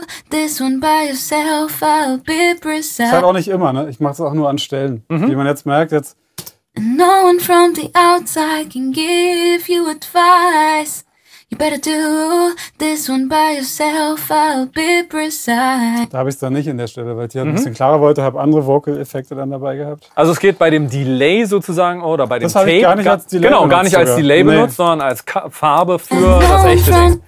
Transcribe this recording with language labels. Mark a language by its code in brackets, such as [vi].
[en] This one by yourself, I'll be precise. [de] Das ist halt auch nicht immer, ne? Ich mach's auch nur an Stellen. Mhm. Wie man jetzt merkt, jetzt. [en] No one from the outside can give you advice. You better do this one by yourself, I'll be precise. [de] Da habe ich es dann nicht in der Stelle, weil ich ein bisschen klarer wollte, habe andere Vocal-Effekte dann dabei gehabt. Also es geht bei dem Delay sozusagen oder bei dem Tape. Das habe ich gar nicht als Delay benutzt. Genau, gar nicht als Delay benutzt, sondern als Farbe für das echte Ding.